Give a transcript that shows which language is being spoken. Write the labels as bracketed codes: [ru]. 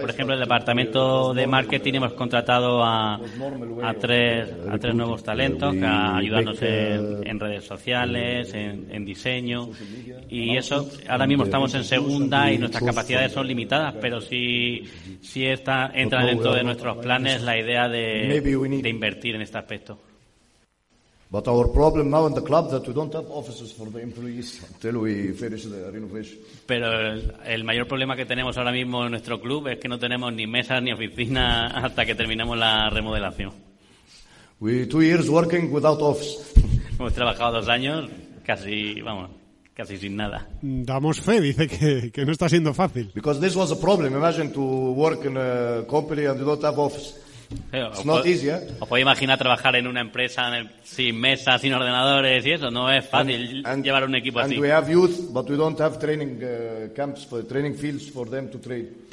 [es] Por ejemplo, el departamento de marketing hemos contratado a tres nuevos talentos a ayudarnos en redes sociales, en diseño, y eso, ahora mismo estamos en segunda y nuestras capacidades son limitadas, pero sí está entra dentro de nuestros planes la idea de invertir en este aspecto. [en] But our problem now in the club that we don't have offices for the employees until we finish the renovation. [es] Pero el mayor problema que tenemos ahora mismo en nuestro club es que no tenemos ni mesas ni oficinas hasta que terminemos la remodelación. [en] We 2 years working without office. [es] Hemos trabajado 2 años casi sin nada. Damos fe, dice que no está siendo fácil. [en] Because this was a problem. Imagine to work in a company and you don't have office. It's not easy, eh? [es] ¿Os podéis imaginar trabajar en una empresa sin mesas, sin ordenadores y eso? No es fácil llevar un equipo así. [en] We have youth, but we don't have training camps for training fields for them to train.